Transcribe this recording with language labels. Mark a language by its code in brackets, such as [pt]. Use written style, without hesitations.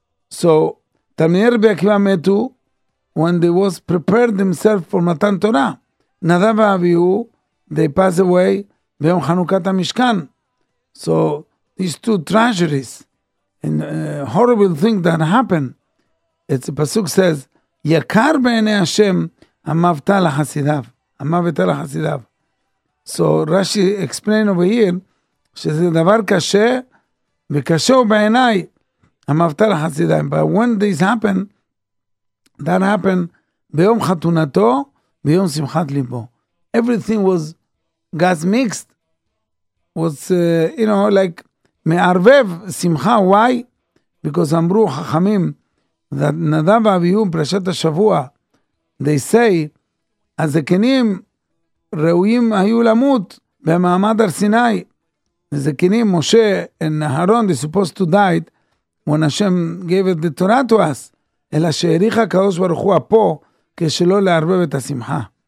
[en] So, Talmidei Rabbi Akiva metu when they was prepared themselves for Matan Torah. Nadav v'Avihu, they pass away v'yom Chanukat HaMishkan. So, these two tragedies and horrible thing that happened. It's a pasuk says, [he] יקר בעיני השם המוות על החסידיו, המוות על החסידיו. [en] So Rashi explained over here, [he] שזה דבר קשה, וקשה הוא בעיניי, המוות על החסידיו. [en] But when this happened, that happened [he] ביום חתונתו, ביום שמחת ליבו. [en] Everything was got mixed, was, you know, like, [he] מערבב שמחה, [en] why? Because [he] אמרו חכמים, that נדב אביהו פרשת השבוע, [en] they say, [he] הזקנים ראויים היו למות במעמד הר סיני. הזקנים, משה and אהרון, [en] they supposed to die when Hashem gave it the Torah to us, [he] אלא שהאריך הקדוש ברוך הוא פה, כשלא לערבב את השמחה.